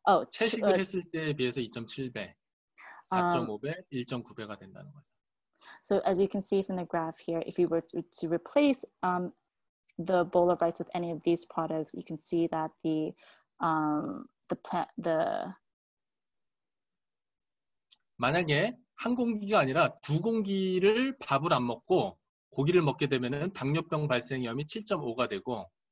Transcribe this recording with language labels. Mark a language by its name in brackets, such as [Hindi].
[Korean] 채식을 했을 때에 비해서 2.7배, 4.5배, 1.9배가 된다는 거죠. [English] So as you can see from the graph here, if you were to replace the bowl of rice with any of these products, you can see that the plant the [Korean] 만약에 한 공기가 아니라 두 공기를 밥을 안 먹고 고기를 먹게 되면은 당뇨병 발생 위험이 7.5배가 되고